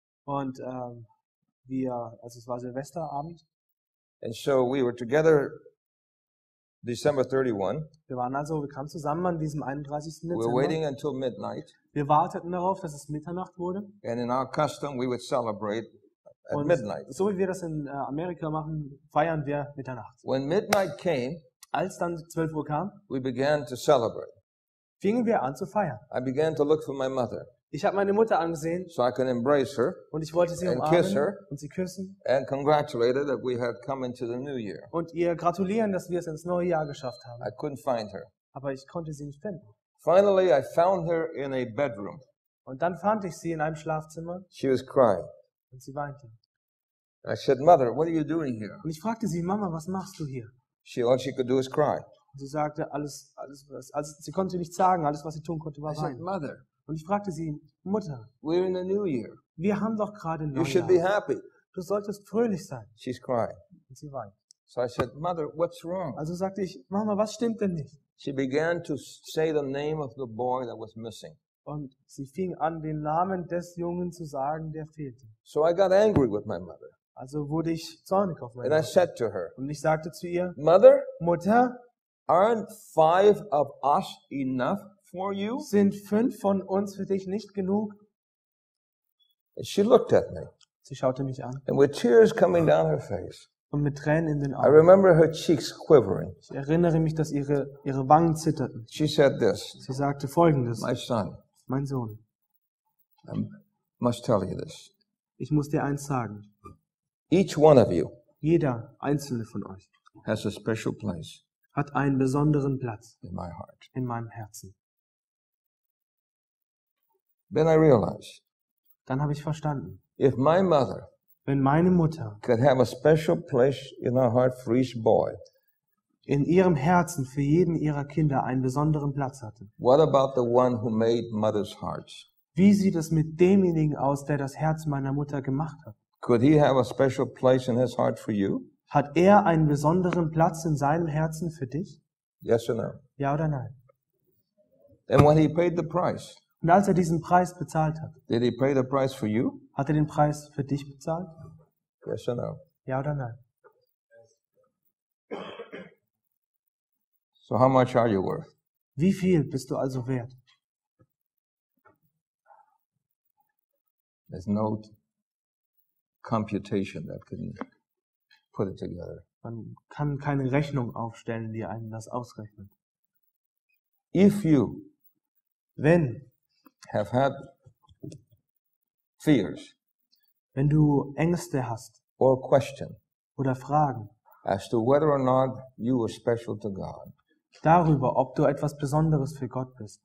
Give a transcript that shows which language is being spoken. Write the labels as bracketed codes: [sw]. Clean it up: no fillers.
[de] Und also es war Silvesterabend. [en] And so we were together December 31. [de] Wir kamen zusammen an diesem 31. Dezember. [en] We were waiting until midnight. [de] Wir warteten darauf, dass es Mitternacht wurde. [en] And in our custom, we would celebrate at midnight. [de] So wie wir das in Amerika machen, feiern wir Mitternacht. [en] When midnight came, [de] als dann 12 Uhr kam, [en] we began to celebrate. [de] Fingen wir an zu feiern. [en] I began to look for my mother. [de] Ich habe meine Mutter angesehen, [en] so I can embrace her, [de] und ich wollte sie [en] and [de] umarmen [en] kiss her, [de] und sie küssen [en] and congratulate her that we had come into the new year. [de] Und ihr gratulieren, dass wir es ins neue Jahr geschafft haben. [en] I couldn't find her. [de] Aber ich konnte sie nicht finden. [en] Finally, I found her in a bedroom. [de] Und dann fand ich sie in einem Schlafzimmer. [en] She was crying. [de] Und sie weinte. [en] I said, "Mother, what are you doing here?" [de] Und ich fragte sie, Mama, was machst du hier? [en] All she could do is cry. [de] Und sie sagte, alles, sie konnte nichts sagen. Alles, was sie tun konnte, war weinen. [en] I said, "Mother." [de] Und ich fragte sie, Mutter, [en] we're in a new year. [de] Wir haben doch gerade ein neues Jahr. [en] You should be happy. [de] Du solltest fröhlich sein. [en] She's crying. [de] Und sie weint. [en] So I said, Mother, what's wrong? [de] Also sagte ich, Mama, was stimmt denn nicht? [en] She began to say the name of the boy that was missing. [de] Und sie fing an, den Namen des Jungen zu sagen, der fehlte. [en] So I got angry with my mother. [de] Also wurde ich zornig auf meine Mutter. [en] And I said to her, [de] und ich sagte zu ihr, [en] Mother, [de] Mutter, [en] aren't 5 of us enough? For you? [de] Sind 5 von uns für dich nicht genug? [en] And she looked at me. [de] Sie schaute mich an. [en] And with tears coming down her face. [de] Und mit Tränen in den Augen. [en] I remember her cheeks quivering. [de] Ich erinnere mich, dass ihre Wangen zitterten. [en] She said this. [de] Sie sagte Folgendes. [en] My son. [de] Mein Sohn. [en] I must tell you this. [de] Ich muss dir eins sagen. [en] Each one of you. [de] Jeder einzelne von euch. [en] Has a special place. [de] Hat einen besonderen Platz. [en] In my heart. [de] In meinem Herzen. [en] Then I realized. [de] Dann habe ich verstanden. [en] If my mother, [de] wenn meine Mutter, [en] could have a special place in her heart for each boy, [de] in ihrem Herzen für jeden ihrer Kinder einen besonderen Platz hatte. [en] What about the one who made mother's heart? [de] Wie sieht es mit demjenigen aus, der das Herz meiner Mutter gemacht hat? [en] Could he have a special place in his heart for you? [de] Hat er einen besonderen Platz in seinem Herzen für dich? [en] Yes or no? [de] Ja oder nein? [en] And when he paid the price. [de] Und als er diesen Preis bezahlt hat, [en] did he pay the price for you? [de] Hat er den Preis für dich bezahlt? [en] Yes or no? [de] Ja oder nein? [en] So how much are you worth? [de] Wie viel bist du also wert? [en] There's no computation that can put it together. [de] Man kann keine Rechnung aufstellen, die einem das ausrechnet. [en] If you, [de] wenn [en] have had fears, [de] wenn du Ängste hast, [en] or question, [de] oder Fragen, [en] as to whether or not you are special to God, [de] darüber, ob du etwas Besonderes für Gott bist,